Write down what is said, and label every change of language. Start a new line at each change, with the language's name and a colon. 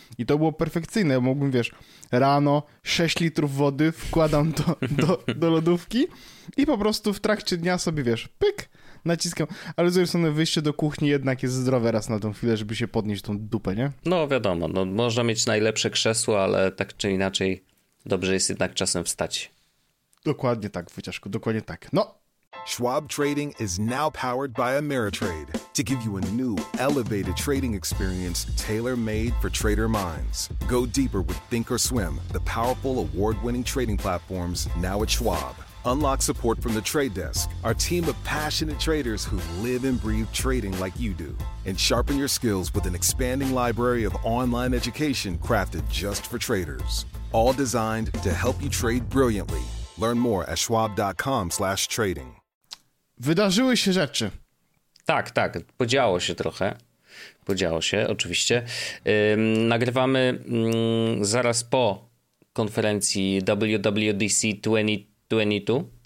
Polish: I to było perfekcyjne. Mógłbym, wiesz, rano 6 litrów wody wkładam do lodówki i po prostu w trakcie dnia sobie, wiesz, pyk, naciskam. Ale z drugiej strony wyjście do kuchni jednak jest zdrowe raz na tą chwilę, żeby się podnieść tą dupę, nie? No wiadomo, no można mieć najlepsze krzesło, ale tak czy inaczej dobrze jest jednak czasem wstać. Dokładnie tak, Wojciaszku, dokładnie tak. No!
English: Schwab Trading is now powered by Ameritrade to give you a new, elevated trading experience tailor-made for trader minds. Go deeper with thinkorswim, the powerful award-winning trading platforms now at Schwab. Unlock support from the Trade Desk, our team of passionate traders who live and breathe trading like you do. And sharpen your skills with an expanding library of online education crafted just for traders. All designed to help you trade brilliantly. Learn more at schwab.com/trading.
Polish: Wydarzyły się rzeczy. Tak, tak, podziało się trochę. Podziało się, oczywiście. Nagrywamy zaraz po konferencji WWDC 2022.